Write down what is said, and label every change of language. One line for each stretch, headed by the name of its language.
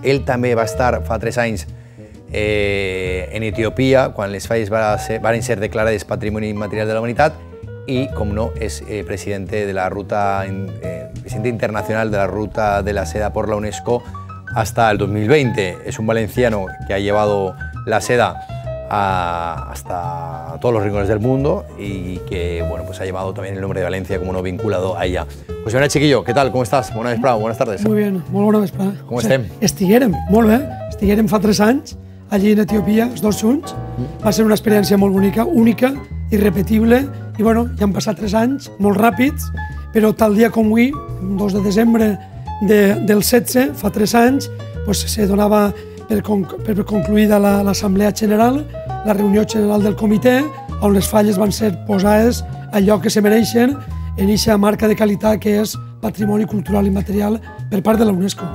Catalan: Ell també va estar fa 3 anys en Etiòpia, quan les falles van ser declarades Patrimoni Immaterial de la Humanitat, i, com no, és president de la Ruta, president internacional de la Ruta de la Seda per la UNESCO,
Spanish: hasta el 2020. Es un valenciano que ha llevado la seda hasta todos los rincones del mundo y que, bueno, pues ha llevado también el nombre de Valencia como uno vinculado a ella. Pues bueno, chiquillo, ¿qué tal? ¿Cómo estás? Buenas vesprada, buenas tardes. Muy bien, muy buena vesprada. ¿Cómo estén?
Catalan: Estiguérem,
Spanish: muy bien.
Catalan: Estiguérem fa 3 anys allí en Etiopía, los 2 junts. Va ser
Spanish: una experiencia muy única, única, irrepetible. Y bueno, ya han pasado 3 anys, muy rápidos, pero tal día como hoy,
Catalan: 2 de desembre, del 16, fa 3 anys, pues, se donava per concluïda l'Assemblea General, la reunió general del comitè, on les falles van ser posades al lloc que se mereixen en eixa marca de qualitat que és Patrimoni Cultural Immaterial per part de la UNESCO.